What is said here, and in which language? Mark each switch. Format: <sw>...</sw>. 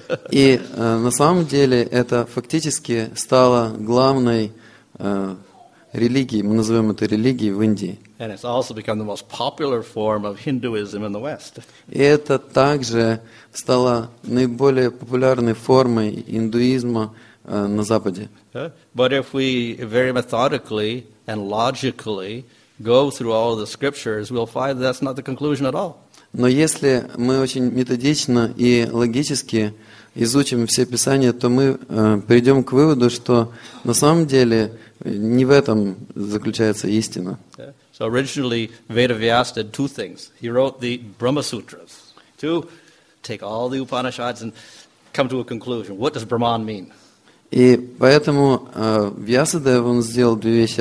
<ru>И на самом деле это фактически стало главной религией, мы называем это религией в Индии.</ru> <en>And it's also become the most popular form of Hinduism in the West.</en> <ru>И это также стало наиболее популярной формой индуизма на Западе.</ru> <en>But if we very methodically and logically go through all the scriptures, we'll find that's not the conclusion at all.</en> <ru>Но если мы очень методично и логически изучим все писания, то мы придем к выводу, что на самом деле не в этом заключается истина.</ru> <en>So originally Vedavyasa did two things. He wrote the Brahma Sutras to take all the Upanishads and come to a conclusion. What does Brahman mean?</en> <ru>И поэтому Вьясадева он сделал две вещи.</ru>